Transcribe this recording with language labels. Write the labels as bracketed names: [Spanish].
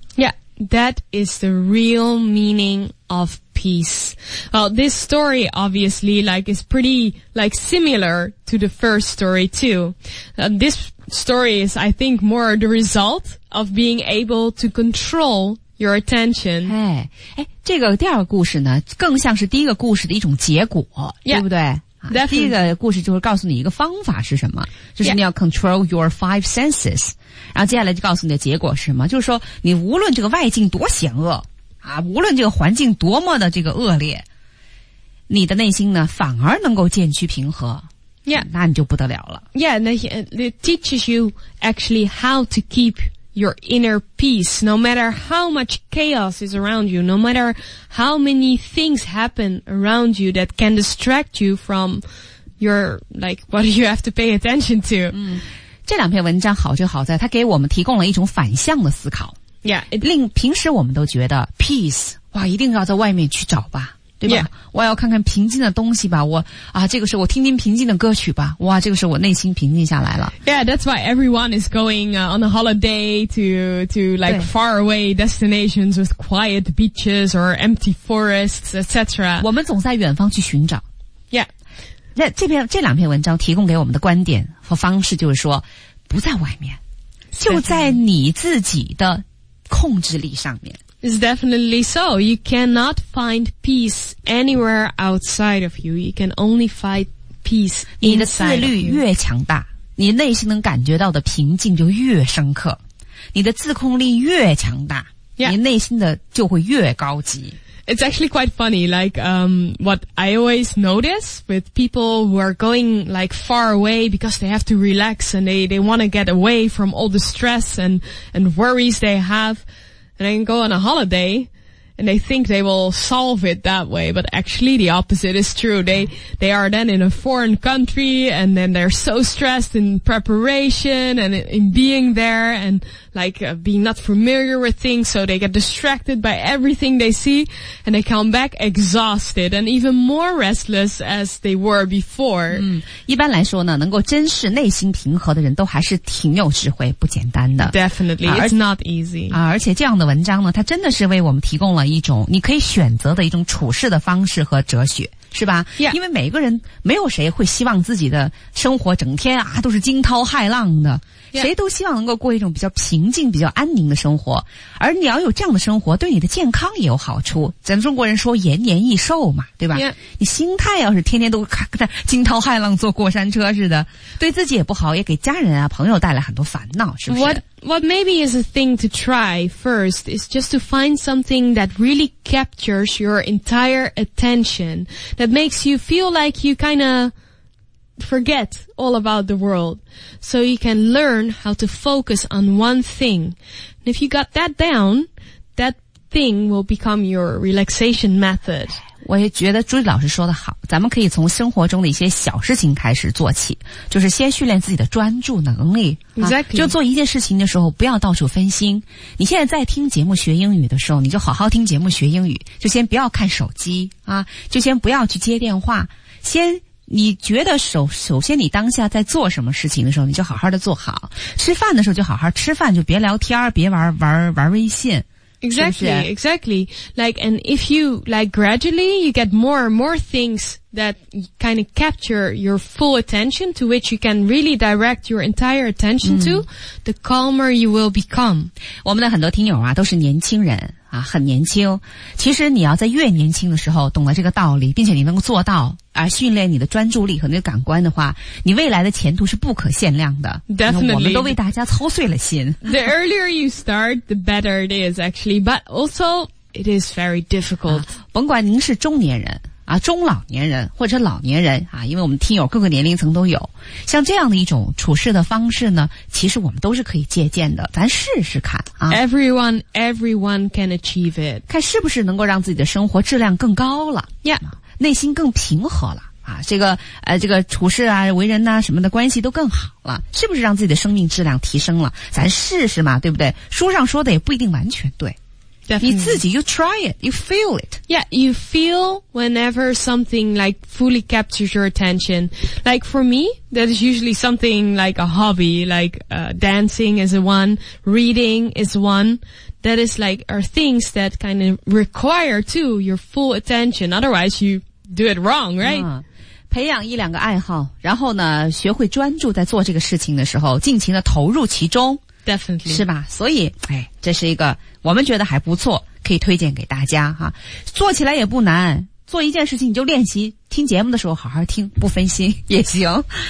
[English] Yeah, that is the real meaning of peace. Well, this story obviously like is pretty like similar to the first story too. This story is I think more the result of being able to control your attention. [Chinese] 这个第二个故事呢更像是第一个故事的一种结果，对不对？第一个故事就是告诉你一个方法是什么，就是你要 [English] control your five senses。 [Chinese] 然后接下来就告诉你的结果是什么，就是说你无论这个外境多险恶啊，无论这个环境多么的这个恶劣，你的内心呢反而能够渐趋平和。 [English] Yeah， [Chinese] 那你就不得了了。 [English] Yeah， it teaches you actually how to keep your inner peace no matter how much chaos is around you, no matter how many things happen around you that can distract you from your like what you have to pay attention to。 [Chinese] 这两篇文章好就好在它给我们提供了一种反向的思考。平时我们都觉得 peace， 哇，一定要在外面去找吧，对吧？ [English] Yeah. [Chinese] 我要看看平静的东西吧，我啊，这个时候我听听平静的歌曲吧，哇，这个时候我内心平静下来了。 [English] Yeah, that's why everyone is going on a holiday to like far away destinations with quiet beaches or empty forests, etc. [Chinese] 我们总在远方去寻找。 [English] Yeah， [Chinese] 这两篇文章提供给我们的观点和方式就是说，不在外面，就在你自己的控制力上面。 [English] It's definitely so. You cannot find peace anywhere outside of you. You can only find peace inside. [Chinese] 你的自律越强大，你内心能感觉到的平静就越深刻。你的自控力越强大， [English] yeah. [Chinese] 你内心的就会越高级。 [English] It's actually quite funny. Like, what I always notice with people who are going like far away because they have to relax and they want to get away from all the stress and worries they have. And then go on a holiday, and they think they will solve it that way, but actually the opposite is true. They are then in a foreign country, and then they're so stressed in preparation and in being there, and like being not familiar with things, so they get distracted by everything they see, and they come back exhausted and even more restless as they were before. [Chinese] 一般来说呢，能够珍视内心平和的人都还是挺有智慧，不简单的。 [English] Definitely, it's not easy. [Chinese] 而且这样的文章呢，它真的是为我们提供了一种你可以选择的一种处事的方式和哲学，是吧？ [English] Yeah. [Chinese] 因为每个人没有谁会希望自己的生活整天啊都是惊涛骇浪的。谁都希望能够过一种比较平静比较安宁的生活，而你要有这样的生活对你的健康也有好处，咱们中国人说延年益寿嘛，对吧？ [English] Yeah. [Chinese] 你心态要是天天都惊涛骇浪坐过山车似的，对自己也不好，也给家人啊朋友带来很多烦恼，是不是？ [English] What maybe is a thing to try first is just to find something that really captures your entire attention, that makes you feel like you kind ofForget all about the world, so you can learn how to focus on one thing. And if you got that down, that thing will become your relaxation method. [Chinese] 我也觉得朱莉老师说的好，咱们可以从生活中的一些小事情开始做起，就是先训练自己的专注能力。 [English] Exactly. [Chinese] 就做一件事情的时候不要到处分心。你现在在听节目学英语的时候，你就好好听节目学英语，就先不要看手机啊，就先不要去接电话，先你觉得首先你当下在做什么事情的时候你就好好的做好，吃饭的时候就好好吃饭，就别聊天，别玩微信。 [English] Exactly, [Chinese] 是不是？ [English] Exactly. Like, and if you, like, gradually, you get more and more things that kind of capture your full attention to which you can really direct your entire attention to, the calmer you will become. [Chinese] 我们的很多听友啊，都是年轻人啊，很年轻。其实你要在越年轻的时候懂了这个道理，并且你能够做到，而训练你的专注力和那个感官的话，你未来的前途是不可限量的。 [English] Definitely. [Chinese] 我们都为大家操碎了心。 [English] The earlier you start, the better it is, actually. But also, it is very difficult. [Chinese] 甭管您是中年人啊，中老年人或者老年人啊，因为我们听友各个年龄层都有，像这样的一种处事的方式呢，其实我们都是可以借鉴的，咱试试看啊。 [English] Everyone can achieve it. [Chinese] 看是不是能够让自己的生活质量更高了。 [English] Yeah. [Chinese] 内心更平和了。啊，这个这个处事啊，为人呐、啊、什么的关系都更好了，是不是让自己的生命质量提升了？咱试试嘛，对不对？书上说的也不一定完全对。 [English] Definitely. [Chinese] 你自己 [English] you try it, you feel it. Yeah, you feel whenever something like fully captures your attention. Like for me, that is usually something like a hobby, like dancing is one, reading is one. That is like are things that kind of require too your full attention. Otherwise, you do it wrong, right? [Chinese] 培养一两个爱好，然后呢，学会专注在做这个事情的时候，尽情的投入其中。 [English] Definitely. [Chinese] 是吧？所以，哎，这是一个我们觉得还不错，可以推荐给大家哈。做起来也不难，做一件事情你就练习，听节目的时候好好听，不分心也行。